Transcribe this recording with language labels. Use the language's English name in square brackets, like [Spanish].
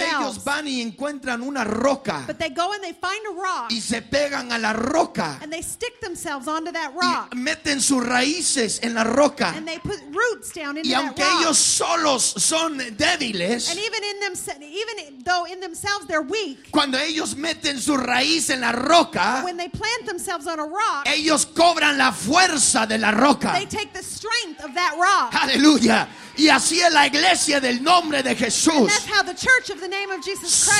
[Spanish] Pero ellos van y encuentran una roca. [English] But they go and they find a rock. [Spanish] Y se pegan a la roca. [English] And they stick themselves onto that rock. [Spanish] Y meten sus raíces en la roca. [English] And they put roots down into that rock. [Spanish] Y aunque ellos solos son débiles, [English] and even in even though in themselves they're weak, [Spanish] cuando ellos meten su raíz en la roca, [English] when they plant themselves on a rock, [Spanish] ellos cobran la fuerza de la roca. [English] They take the strength of that rock. [Spanish] Aleluya. Y así es la iglesia del nombre de Jesús. [English] And that's how the church of the name of Jesus Christ.